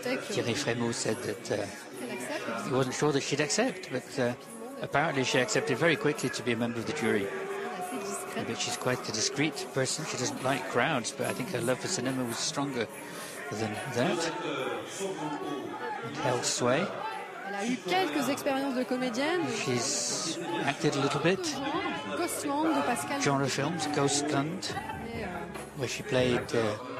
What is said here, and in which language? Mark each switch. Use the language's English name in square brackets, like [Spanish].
[English] Thierry Frémaux said that he wasn't sure that she'd accept, but apparently she accepted very quickly to be a member of the jury. But she's quite a discreet person. She doesn't like crowds, but I think her love for cinema was stronger than that. Hell Sway. [French] Elle a eu quelques expériences de comédienne. [English] She's acted a little bit. [French] Ghostland de Pascal. [English] Genre films, Ghostland, where she played the